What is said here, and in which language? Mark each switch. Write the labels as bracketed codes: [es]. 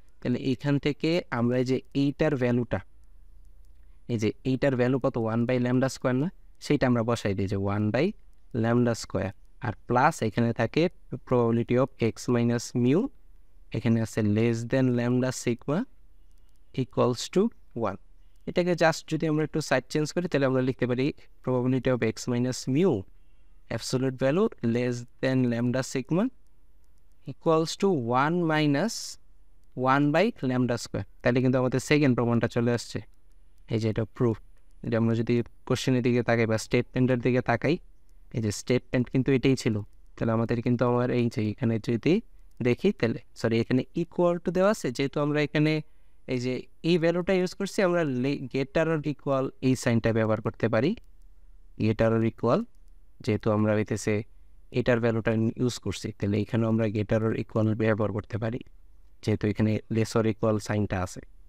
[bn] তাহলে এখান থেকে আমরা যে এইটার ভ্যালুটা, এই যে এইটার ভ্যালু কত, [en] one by lambda square [bn] না, সেইটা আমরা বসাই দিই যে one by lambda square, আর plus এখানে থাকে [en] probability of X minus mu, [bn] এখানে আছে [en] Less than lambda sigma equals to one. [bn] এটাকে জাস্ট যদি আমরা একটু সাইড চেঞ্জ করি তাহলে আমরা লিখতে পারি [en] Probability of X minus mu absolute value less than lambda sigma equals to 1 minus 1 by lambda square. [bn] তাহলে কিন্তু আমাদের সেকেন্ড প্রমাণটা চলে আসছে, এই যে এটা প্রুফ। যদি আমরা যদি কোশ্চেনের দিকে তাকাই বা স্টেটমেন্টের দিকে তাকাই, এই যে স্টেটমেন্ট কিন্তু এটাই ছিল, তাহলে আমাদের কিন্তু আবার এই যে এখানে যদি দেখি তাহলে সরি এখানে ইকুয়াল টু দেওয়া আছে, যেহেতু আমরা এখানে এই যে এই ভ্যালুটা ইউজ করছি আমরা [en] greater or equal [bn] এই সাইনটা ব্যবহার করতে পারি, গেটার অর ইকুয়াল, যেহেতু আমরা হইতেছে এটার ভ্যালুটা ইউজ করছি তাহলে এখানেও আমরা গেটার অর ইকুয়াল ব্যবহার করতে পারি, যেহেতু এখানে লেসর ইকুয়াল সাইনটা আছে।